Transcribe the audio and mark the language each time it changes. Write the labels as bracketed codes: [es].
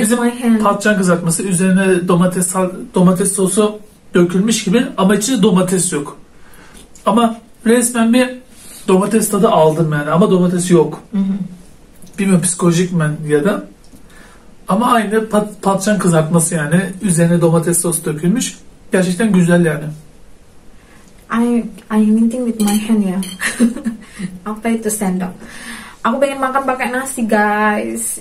[tr] bizim patlıcan kızartması, üzerine domates sosu dökülmüş gibi ama içinde domates yok. Ama resmen bir domates tadı aldım yani ama domates yok. Bilmiyorum psikolojik mi ya da. Ama aynı patlıcan kızartması yani, üzerine domates sosu dökülmüş. Gerçekten güzel yani. [en] I'm eating with my hand ya. I'll pay to stand up. [id] Aku pengen makan pakai nasi guys.